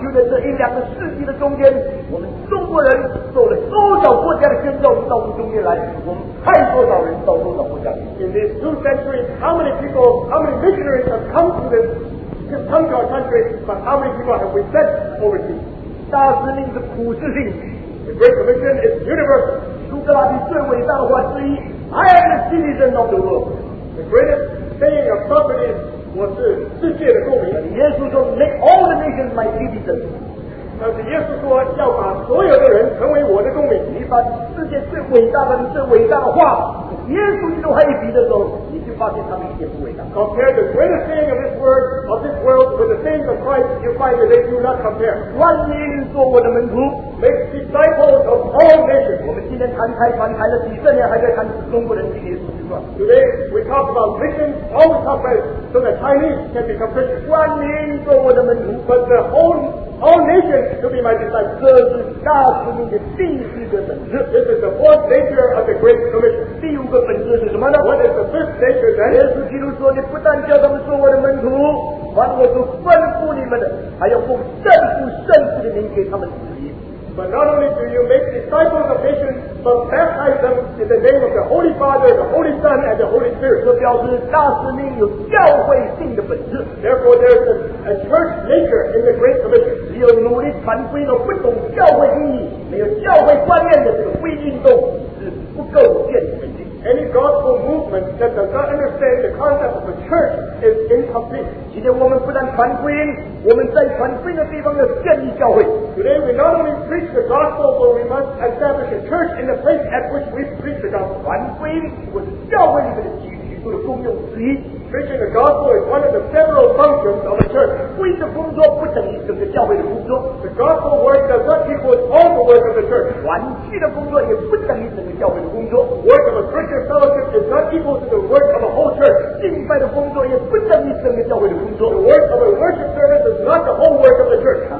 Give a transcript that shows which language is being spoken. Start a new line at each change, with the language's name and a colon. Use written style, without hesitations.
Chinese: 就在这一两个世纪的中间，我们中国人做了多少国家的宣教到我们中间来？我们派多少人到多少国家
English: ？In these two centuries, how many people, how many missionaries have come to this, have come to our country? But how many people have we sent overseas?
Chinese: 大使命是普世性。
English: The Great Commission is universal.
Chinese: 苏格拉底最伟大的话之一。
English: I am a citizen of the world. The greatest saying of Socrates was
Chinese: 世界的公民。
English: And Jesus said, make all the nations my citizens.
Chinese: 但是耶稣说要把所有的人成为我的公民。你把世界最伟大的、最伟大的话，耶稣基督和你比的时候，你就发现他们一点不伟大。
English: Compare the greatest saying of this word of this world with the saying of Christ, you find that they do not compare.
Chinese: 万民做我的门徒。
English: Make disciples of all nations.
Chinese: 我们今天谈开传谈了几十年，还在谈中国人信耶稣基督。
English: Today we talk about missions, all the conference, so that Chinese can become Christian.
Chinese: 万民做我的门徒。
English: But the whole nations to be my disciples.
Chinese: 这是大使命的第四个本质。
English: This is the fourth nature of the Great Commission.
Chinese: 第五个本质是什么呢？
English: What is the fifth nature then?
Chinese: 耶稣基督说，你不但叫他们做我的门徒，凡我所吩咐你们的，还要奉圣父、圣子的名给他们施洗。
English: But not only do you make disciples of nations, but baptize them in the name of the Holy Father, the Holy Son, and the Holy Spirit.
Chinese: 这表示大使命有教会性的本质。
English: Therefore, there is a church nature in the Great Commission.
Chinese: 只有努力传福音的不懂教会意义，没有教会观念的这个福音运动是不够健全的。
English: Any gospel movement that does not understand the concept of a church is incomplete.
Chinese: 今天我们不但传福音，我们在传福音的地方要建立教会。
English: Today we not only preach the gospel, but we must establish a church in the place at which we preach the gospel.
Chinese: 传福音是教会里面的基础的功用之一。
English: Preaching the gospel is one of the several functions of a church.
Chinese: 福音的工作不等于整个教会的工作。
English: The gospel work does not equal all the work of the church.
Chinese: 团契的工作也不等于整个教会的工作。
English: Work of a Christian fellowship is not equal to the work of a whole church.
Chinese: 敬拜的工作也不等于整个教会的工作。
English: The work of a worship service is not the whole work of the church.